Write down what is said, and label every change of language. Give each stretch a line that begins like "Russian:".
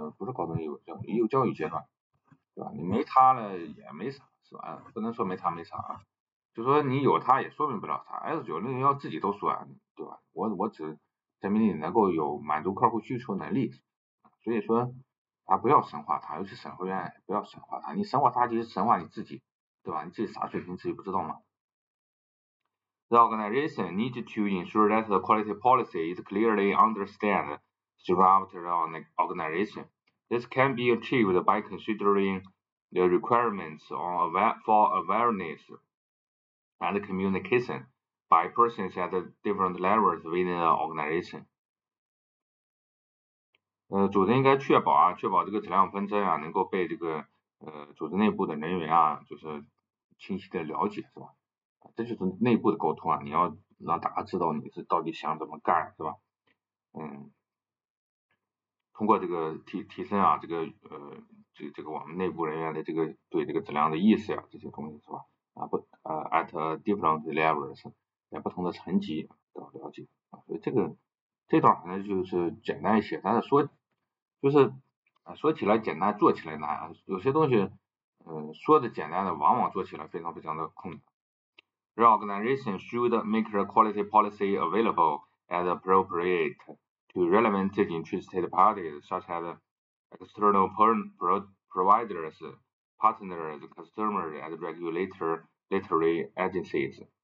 Chinese: 不是高中义务教育阶段，对吧？你没他了也没啥是吧？不能说没他没啥，就说你有他也说明不了啥。 S901自己都说对吧？我只证明你能够有满足客户需求能力，所以说他不要神化他，尤其审核员不要神化他，你神化他就是神化你自己。对吧？你这啥水平自己不知道吗
English: ？The organization needs to ensure that the quality policy is clearly understood throughout the organization. This can be achieved by considering the requirements for awareness and communication by persons at different levels within the organization.
Chinese: 组织应该确保这个质量分针能够被这个组织内部的人员就是。清晰的了解是吧？这就是内部的沟通你要让大家知道你是到底想怎么干是吧？通过这个提升这个这个我们内部人员的这个对这个质量的意识这些东西是吧？
English: at different levels
Chinese: 在不同的层级都要了解所以这段好像就是简单一些，但是说起来简单，做起来难，有些东西。说的简单的往往做起来非常非常的困难。
English: The organization should make the quality policy available as appropriate to relevant interested parties such as external providers, partners, customers, and regulatory agencies.